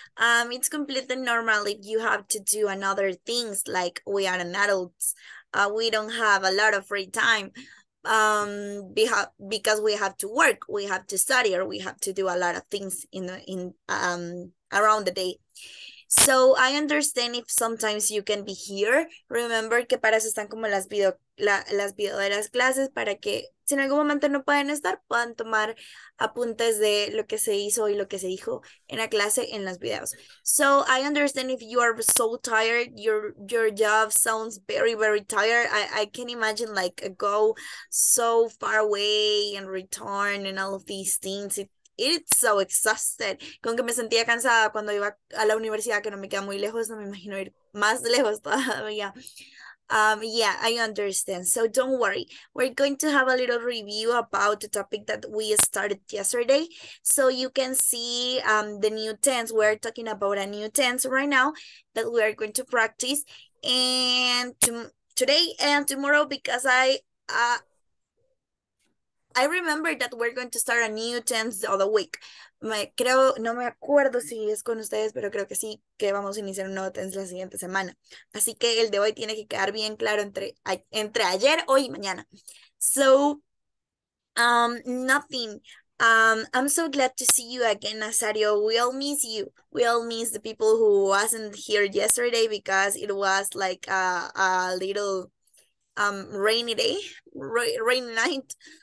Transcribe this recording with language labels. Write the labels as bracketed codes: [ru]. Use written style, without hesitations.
[en] It's completely normal if you have to do another things, like we are an adult. We don't have a lot of free time because we have to work, we have to study, or we have to do a lot of things in around the day. So I understand if sometimes you can be here. Remember [es] que para eso están como las video de las clases, para que si en algún momento no pueden estar, puedan tomar apuntes de lo que se hizo y lo que se dijo en la clase en los videos. [en] So I understand if you are so tired, your job sounds very, very tired. I can imagine like go so far away and return and all of these things. It's so exhausted. [es] Con que me sentía cansada cuando iba a la universidad, que no me queda muy lejos, no me imagino ir más lejos todavía. [en] Yeah, I understand. So don't worry. We're going to have a little review about the topic that we started yesterday. So you can see the new tense. We're talking about a new tense right now that we are going to practice. And today and tomorrow, because I remember that we're going to start a new tense the other week. [es] No me acuerdo si es con ustedes, pero creo que sí, que vamos a iniciar un nuevo tense la siguiente semana. Así que el de hoy tiene que quedar bien claro entre ayer, hoy y mañana. [en] So, nothing. I'm so glad to see you again, Nazario. We all miss you. We all miss the people who wasn't here yesterday because it was like a little rainy day, rainy night.